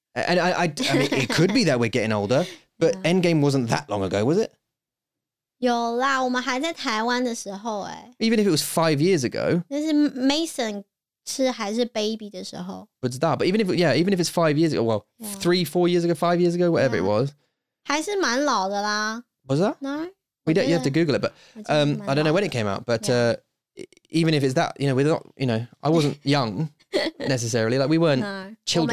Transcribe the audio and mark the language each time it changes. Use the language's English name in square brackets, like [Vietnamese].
[English] And I mean, it could be that we're getting older, But yeah. Endgame wasn't that long ago, was it? [Chinese] 有啦，我们还在台湾的时候哎。 [English] Even if it was 5 years ago. [Chinese] 但是 Mason 是还是 baby 的时候。不知道 [English] but even if, yeah, even if it's 5 years ago, well, yeah. 3-4 years ago, 5 years ago, whatever yeah. it was. [Chinese] 还是蛮老的啦。 [English] Was that? No. We don't, you have to Google it, but I don't know when it came out, but yeah. Even if it's that, you know, we're not, you know, I wasn't young necessarily, like we weren't no, children.